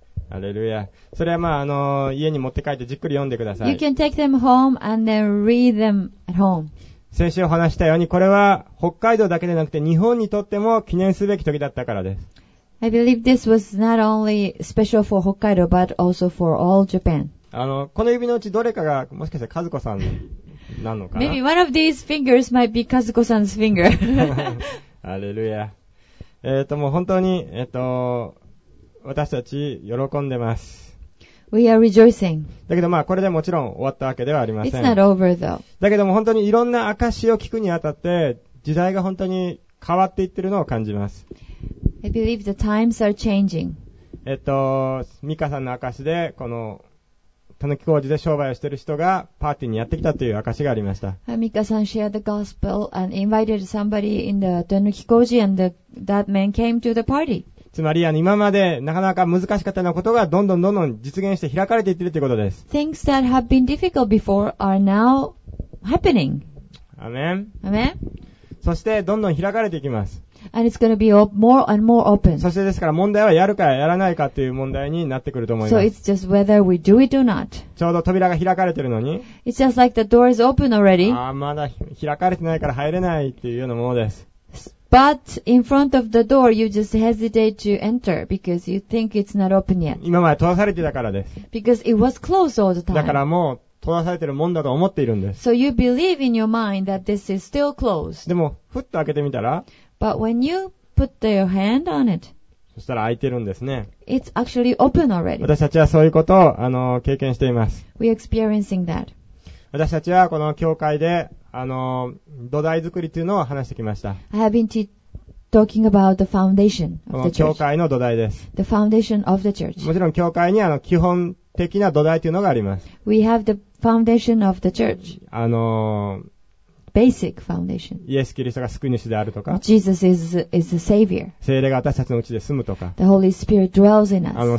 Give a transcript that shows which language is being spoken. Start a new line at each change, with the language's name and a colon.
Japanese: アレルヤ。それはまあ、家に持って帰ってじっくり読んでください。
English: You can take them home and then read them at home.
Japanese: 先週お話したように、これは北海道だけでなくて日本にとっても記念すべき時だったからです。
English: I believe this was not only special for Hokkaido, but also for all Japan.
Japanese: この指のうちどれかがもしかしたら和子さんなのかな。
English: Maybe one of these fingers might be Kazuko-san's finger.
Japanese: アレルヤ。もう本当に、私たち喜んでます。
English: We are rejoicing.
Japanese: だけどまあこれでもちろん終わったわけではありません。
English: It's not over though.
Japanese: だけども本当にいろんな証を聞くにあたって時代が本当に変わっていってるのを感じます。
English: I believe the times are changing.
Japanese: ミカさんの証でこのたぬき工事で商売をしている人がパーティーにやってきたという証がありました。
English: ミカさん shared the gospel and invited somebody in the たぬき工事 and that man came to the party.
Japanese: つまり今までなかなか難しかったようなことがどんどんどんどん実現して開かれていってるということです。
English: Things that have been difficult before are now happening.
Japanese: アメン。アメン。そしてどんどん開かれていきます。
English: And it's going to be more and more open.
Japanese: そしてですから問題はやるかやらないかという問題になってくると思います。
English: So it's just whether we do it or not.
Japanese: ちょうど扉が開かれているのに
English: It's just like the door is open already.
Japanese: まだ開かれてないから入れないというようなものです。
English: But in front of the door, you just hesitate to enter because you think it's not open yet.
Japanese: 今まで閉ざされてたからです。
English: Because it was closed all the time.
Japanese: だからもう閉ざされてるもんだと思っているんです。
English: So you believe in your mind that this is still closed.
Japanese: でもふっと開けてみたら。
English: But when you put your hand on it.
Japanese: そしたら開いてるんですね。
English: It's actually open already.
Japanese: 私たちはそういうことを経験しています。
English: We're experiencing that.
Japanese: 私たちはこの教会で土台作りというのを話してきました。
English: I have been talking about the foundation of the church.
Japanese: 教会の土台です。
English: The foundation of the church.
Japanese: もちろん教会に基本的な土台というのがあります。
English: We have the foundation of the church. Basic foundation.
Japanese: イエス・キリストが救い主であるとか。
English: Jesus is the savior.
Japanese: 聖霊が私たちのうちで住むとか。
English: The Holy Spirit dwells in us.